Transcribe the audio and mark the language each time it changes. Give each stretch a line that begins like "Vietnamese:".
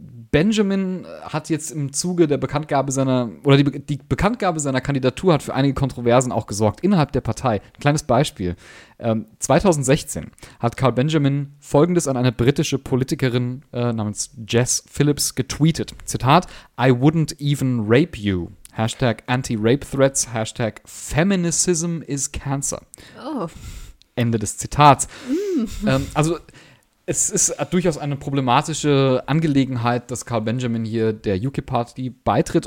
German: Benjamin hat jetzt im Zuge der Bekanntgabe die Bekanntgabe seiner Kandidatur hat für einige Kontroversen auch gesorgt innerhalb der Partei. Ein kleines Beispiel. 2016 hat Carl Benjamin Folgendes an eine britische Politikerin namens Jess Phillips getweetet. Zitat:
English: I wouldn't even rape you. Hashtag anti-rape threats. Hashtag feminism is cancer. Oh.
German: Ende des Zitats. Es ist durchaus eine problematische Angelegenheit, dass Carl Benjamin hier der UKIP-Party beitritt.